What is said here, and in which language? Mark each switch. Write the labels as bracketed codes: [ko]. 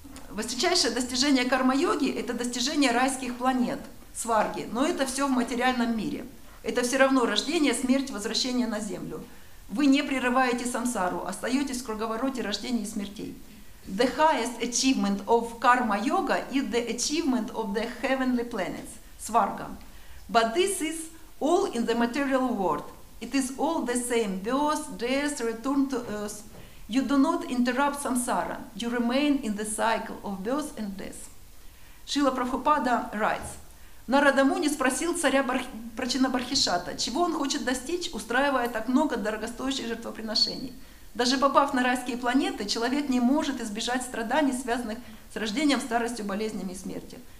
[ru] Высочайшее достижение карма-йоги – это достижение райских планет, сварги, но это все в материальном мире. Это все равно рождение, смерть, возвращение на землю. Вы не прерываете самсару, остаетесь в круговороте рождений и смертей. [en] The highest achievement of karma yoga is the achievement of the heavenly planets, сварга. But this is all in the material world. It is all the same, birth, death, return to earth. You do not interrupt samsara. You remain in the cycle of birth and death. [ru] Шрила Прабхупада [en] writes: [ru] Нарада Муни спросил царя Прачинабархишата, чего он хочет достичь, устраивая так много дорогостоящих жертвоприношений. Даже попав на райские планеты, человек не может избежать страданий, связанных с рождением, старостью, болезнями и смертью.